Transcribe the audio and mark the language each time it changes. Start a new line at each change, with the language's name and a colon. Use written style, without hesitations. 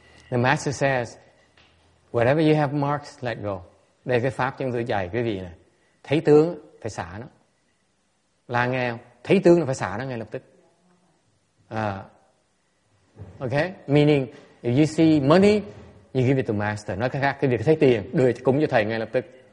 English: The master says, whatever you have marks, let go.
Vietnamese: Đây cái pháp chúng tôi dạy quý vị này. Thấy tướng, phải xả nó. Là nghe không? Thấy tướng là phải xả nó ngay lập tức.
English: Okay? Meaning, if you see money, you give it to master.
Vietnamese: Nói cái khác, cái việc thấy tiền, đưa cúng cho thầy ngay lập tức.